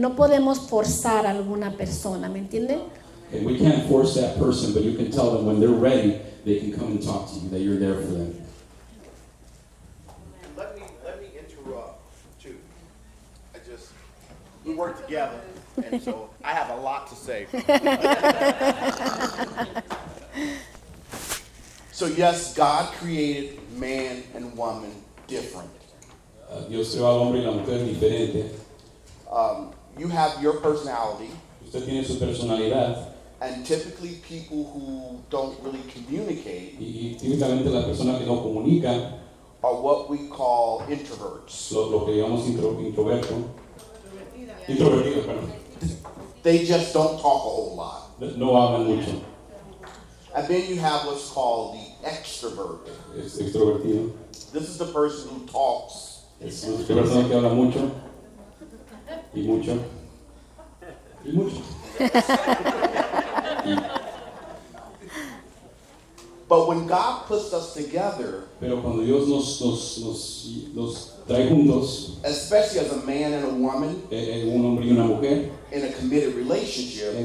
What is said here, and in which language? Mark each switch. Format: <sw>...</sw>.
<es>No podemos forzar a alguna persona, ¿me entienden?</es> <en>Okay, we can't force that person, but you can tell them when they're ready, they can come and talk to you, that you're there for them. Let me interrupt too. We work together. And so I have a lot to say. So yes, God created man and woman different.</en> <es>Dios creó al hombre y la mujer diferente.</es> <en>You have your personality.</en> <es>Usted tiene su personalidad.</es> <en>And typically people who don't really communicate</en> <es>y típicamente las personas que no comunican</es> <en>are what we call introverts.</en> <es>Lo que llamamos introvertido. Introvertido, perdón.</es> <en>They just don't talk a whole lot.</en> <es>No hablan mucho.</es> <en>And then you have what's called the extrovert.</en> <es>Es extrovertido.</es> <en>This is the person who talks.</en> <es>Es la persona que habla mucho. Y mucho. Y mucho.</es> <en>But when God puts us together,</en> <es>pero cuando Dios nos trae juntos,</es> <en>especially as a man and a woman,</en> <es>un hombre y una mujer,</es> <en>in a committed relationship,</en>